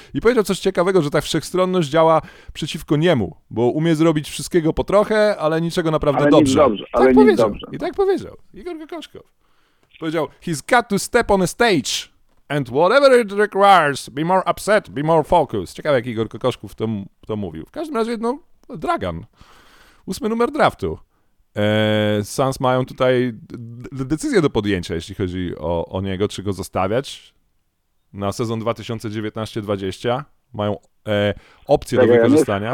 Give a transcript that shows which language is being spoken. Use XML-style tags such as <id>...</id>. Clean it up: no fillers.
<pl>I powiedział coś ciekawego, że ta wszechstronność działa przeciwko niemu, bo umie zrobić wszystkiego po trochę, ale niczego naprawdę ale dobrze. Dobrze. Ale tak powiedział. Dobrze. I tak powiedział Igor Kokoszkow. Powiedział,</pl> <en>he's got to step on a stage and whatever it requires, be more upset, be more focused.</en> <pl>Ciekawe, jak Igor Kokoszkow to mówił. W każdym razie, no, Dragan. Ósmy numer draftu. Suns mają tutaj decyzję do podjęcia, jeśli chodzi o niego, czy go zostawiać na sezon 2019-20. Mają opcję do wykorzystania.</pl>